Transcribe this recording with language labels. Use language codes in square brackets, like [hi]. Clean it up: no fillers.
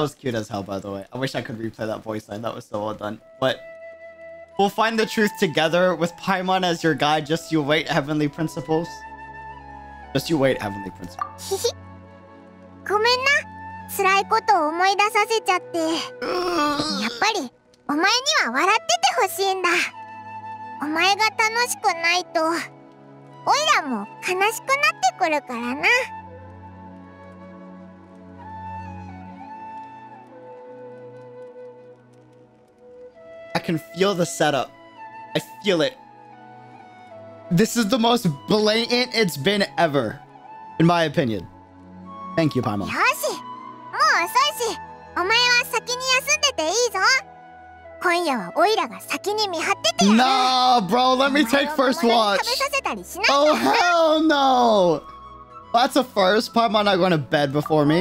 [en] That was cute as hell, by the way. I wish I could replay that voice line. That was so well done. But we'll find the truth together with Paimon as your guide. Just you wait, Heavenly Principles. Just you wait, Heavenly Prince. [ja] ごめんな。辛いことを思い出させちゃって。やっぱり、お前には笑っててほしいんだ。お前が楽しくないと、オイラも悲しくなってくるからな。 [en] I can feel the setup. I feel it. This is the most blatant it's been ever, in my opinion. Thank you, Paimon. [ja] よし、もう遅いし、お前は先に休んでていいぞ。今夜はオイラが先に見張っててやる。 [en] Nah, bro, let me take first watch. [ja] 食べさせたりしないか。 [en] Oh, hell no! That's a first. Paimon not going to bed before me.